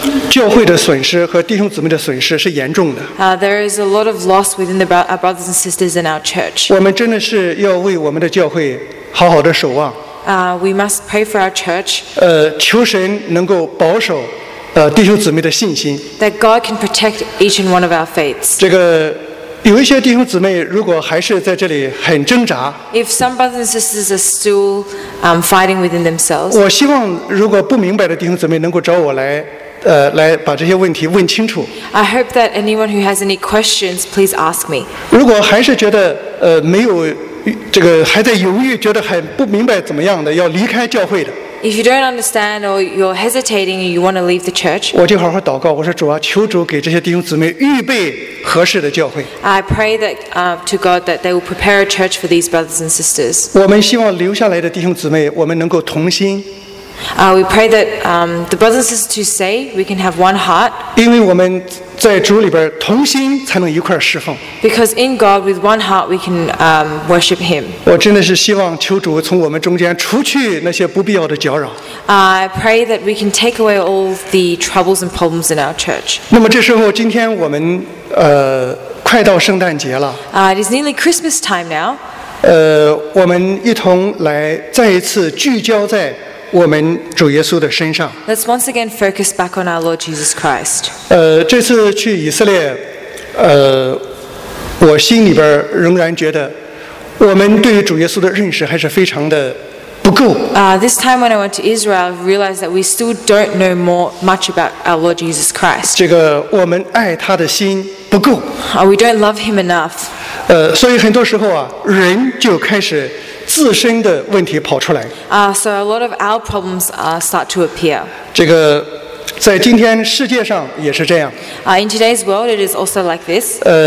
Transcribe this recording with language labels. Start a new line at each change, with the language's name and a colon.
Chinese: 教会的损失和弟兄姊妹的损失是严重的。
English: There is a lot of loss within the brothers and sisters in our church.
Chinese: 我们真的是要为我们的教会好好的守望。
English: We must pray for our church.
Chinese: 求神能够保守弟兄姊妹的信心。
English: That God can protect each and one of our faiths.
Chinese: 这个有一些弟兄姊妹如果还是在这里很挣扎，
English: if some brothers and sisters are still fighting within themselves，
Chinese: 我希望如果不明白的弟兄姊妹能够找我来，来把这些问题问清楚。
English: I hope that anyone who has any questions, please ask me。
Chinese: 如果还是觉得没有这个还在犹豫，觉得很不明白怎么样的，要离开教会的。
English: If you don't understand or you're hesitating, you want to leave the church.
Chinese: 我就好好祷告，我说主啊，求主给这些弟兄姊妹预备合适的教会。
English: I pray that to God that they will prepare a church for these brothers and sisters.
Chinese: 我们希望留下来的弟兄姊妹，我们能够同心。
English: We pray that the brothers and sisters to stay, we can have one heart.
Chinese: 因为我们在主里边同心才能一块侍奉。
English: Because in God with one heart we can worship Him.
Chinese: 我真的是希望求主从我们中间除去那些不必要的搅扰。
English: I pray that we can take away all the troubles and problems in our church.
Chinese: 那么这时候，今天我们快到圣诞节了。
English: It is nearly Christmas time now.
Chinese: 我们一同来再一次聚焦在我们主耶稣的身上。
English: Let's once again focus back on our Lord Jesus Christ.
Chinese: 这次去以色列，我心里边仍然觉得，我们对于主耶稣的认识还是非常的不够。
English: This time when I went to Israel, I realized that we still don't know much about our Lord Jesus Christ.
Chinese: 这个我们爱他的心不够。
English: We don't love him enough.
Chinese: 所以很多时候啊，人就开始自身的问题跑出来。
English: So a lot of our problems start to appear.
Chinese: 这个在今天世界上也是这样。
English: In today's world, it is also like this.